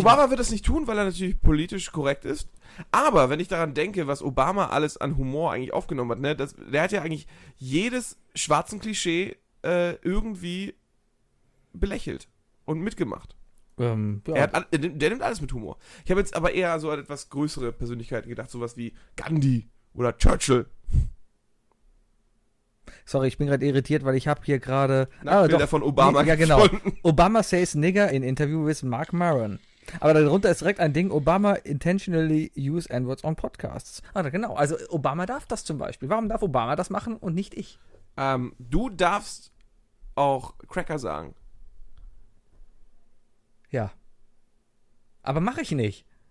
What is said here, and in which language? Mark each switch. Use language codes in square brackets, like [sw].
[de] Obama wird das nicht tun, weil er natürlich politisch korrekt ist. Aber wenn ich daran denke, was Obama alles an Humor eigentlich aufgenommen hat, ne, der hat ja eigentlich jedes schwarzen Klischee irgendwie belächelt und mitgemacht. Der nimmt alles mit Humor. Ich habe jetzt aber eher so an etwas größere Persönlichkeiten gedacht, sowas wie Gandhi oder Churchill. Sorry, ich bin gerade irritiert, weil ich habe hier gerade Bilder von Obama gefunden. Ja, genau. [en] Obama says nigger in interview with Mark Maron. [de] Aber darunter ist direkt ein Ding, [en] Obama intentionally use N-words on podcasts. [de] Ah, genau. Also Obama darf das zum Beispiel. Warum darf Obama das machen und nicht ich? Du darfst auch Cracker sagen. Ja. Aber mache ich nicht.